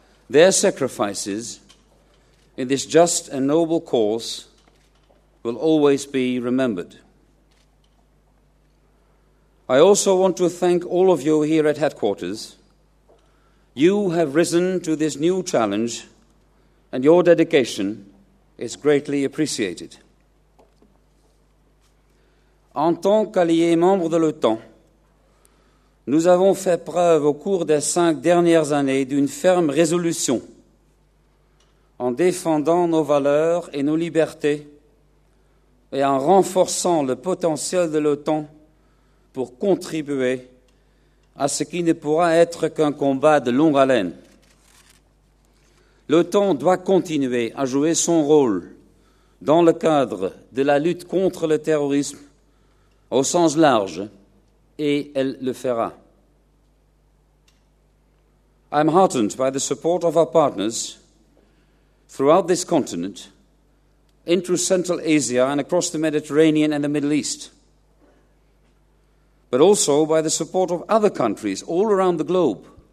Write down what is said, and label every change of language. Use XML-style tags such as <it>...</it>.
<en>Their sacrifices in this just and noble cause will always be remembered. I also want to thank all of you here at headquarters. You have risen to this new challenge, and your dedication is greatly appreciated.</en> <fr>En tant qu'alliés membres de l'OTAN, nous avons fait preuve au cours des 5 dernières années d'une ferme résolution en défendant nos valeurs et nos libertés et en renforçant le potentiel de l'OTAN pour contribuer à ce qui ne pourra être qu'un combat de longue haleine. L'OTAN doit continuer à jouer son rôle dans le cadre de la lutte contre le terrorisme au sens large, et elle le fera.</fr> <en>I am heartened by the support of our partners throughout this continent, into Central Asia and across the Mediterranean and the Middle East, but also by the support of other countries all around the globe.</en>